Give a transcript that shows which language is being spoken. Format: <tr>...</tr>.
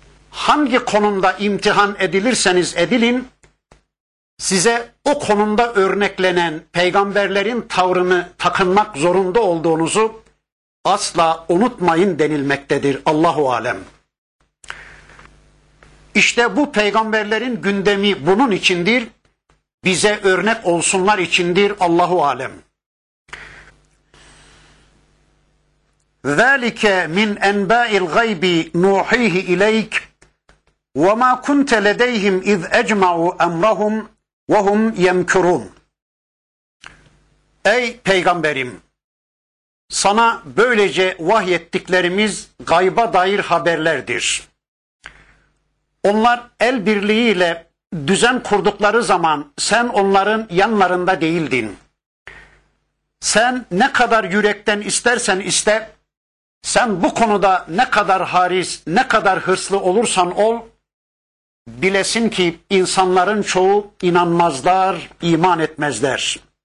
<tr>Hangi konumda imtihan edilirseniz edilin, size o konumda örneklenen peygamberlerin tavrını takınmak zorunda olduğunuzu asla unutmayın denilmektedir Allahu Alem. İşte bu peygamberlerin gündemi bunun içindir, bize örnek olsunlar içindir Allahu Alem.</tr> <ar>ذَٰلِكَ مِنْ اَنْبَاءِ الْغَيْبِ نُوحِيهِ اِلَيْكِ وَمَا كُنْتَ لَدَيْهِمْ اِذْ اَجْمَعُوا اَمْرَهُمْ وَهُمْ يَمْكُرُونَ</ar> <tr>Ey peygamberim! Sana böylece vahyettiklerimiz gayba dair haberlerdir. Onlar el birliğiyle düzen kurdukları zaman sen onların yanlarında değildin. Sen ne kadar yürekten istersen iste, sen bu konuda ne kadar haris, ne kadar hırslı olursan ol, bilesin ki insanların çoğu inanmazlar, iman etmezler.</tr>